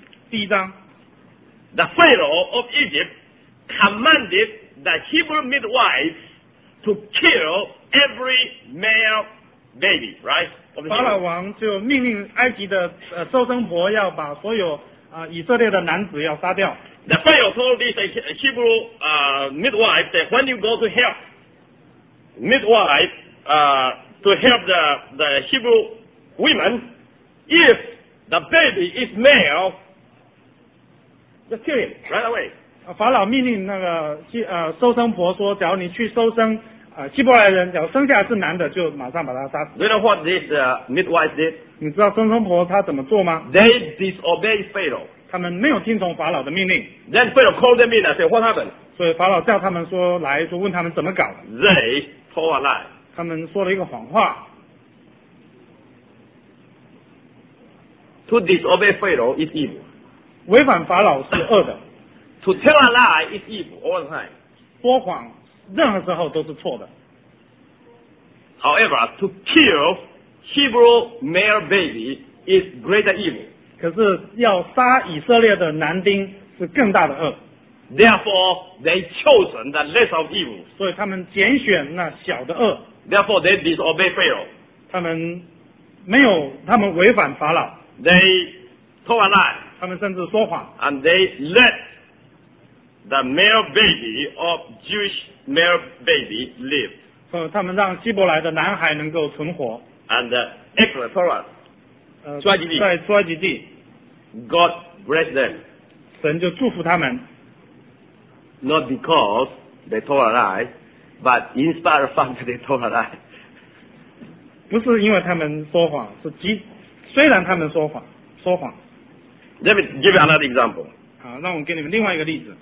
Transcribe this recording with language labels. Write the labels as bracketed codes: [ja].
[en] The Pharaoh of Egypt commanded the Hebrew midwives to kill every male baby, right? [zh] 法老王就命令埃及的收生婆要把所有以色列的男子要杀掉。 [en] The Pharaoh told these Hebrew midwives that when you go to help midwives to help the Hebrew women, if the baby is male, just kill him right away. [zh] 法老命令那个收生婆说，假如你去收生希伯来人，假如生下是男的，就马上把他杀死。 [en] You know what this midwife did? [zh] 你知道收生婆她怎么做吗？ [en] They disobeyed Pharaoh. [zh] 他们没有听从法老的命令。 [en] Then Pharaoh called them in and said, what happened? [zh] 所以法老叫他们说来，说问他们怎么搞的。 [en] They told a lie. [zh] 他们说了一个谎话。 [en] To disobey Pharaoh is evil. [zh] 违反法老是恶的。 [en] To tell a lie is evil all the time. [zh] 说谎任何时候都是错的。 [en] However, to kill Hebrew male baby is greater evil. [zh] 可是要杀以色列的男丁是更大的恶。 [en] Therefore, they chose the lesser of evil. [zh] 所以他们拣选那小的恶。 [en] Therefore, they disobey Pharaoh. [zh] 他们没有，他们违反法老。 [en] They told a lie. [zh] 他们甚至说谎。 [en] And they let the male baby of Jewish male baby live. [zh] 他们让希伯来的男孩能够存活。 [en] And Exodus Torah, 出埃及地。 [zh] 在出埃及地。 [en] God bless them. [zh] 神就祝福他们。 [en] Not because they told a lie, but in spite of the fact that they told a lie. [zh] 不是因为他们说谎，是虽然他们说谎，说谎。 [en] Let me give you another example. [zh] 好，让我给你们另外一个例子。